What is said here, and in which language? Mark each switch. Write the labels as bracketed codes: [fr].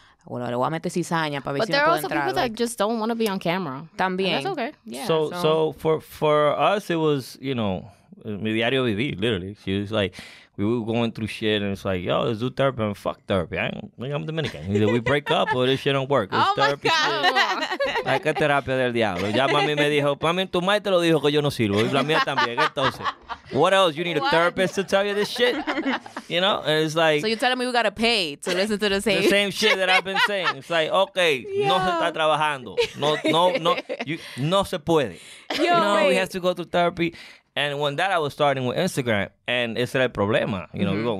[en] But there are also people that just don't want to be on camera. [es] También. [en] That's okay. Yeah, so for us, it was, you know, [es] mi diario vivir, [en] literally. She was like, we were going through shit, and it's like, yo, let's do therapy. And fuck therapy. I'm Dominican. Either we break up or this shit don't work. It's oh, therapy. My God. [es] Hay que terapia del diablo. Ya mami me dijo, mami, tu madre te lo dijo que yo no sirvo. Y la mía también. Entonces, [en] what else? You need a therapist to tell you this shit? You know? And it's like... So you're telling me we got to pay to listen to the same shit that I've been saying. It's like, okay, yo. [es] No se está trabajando. [en] No, no, no. You, [es] no se puede. [en] Yo, you know, wait. We have to go to therapy. And when that, I was starting with Instagram, and it's [es] el problema. [en] You know, mm-hmm.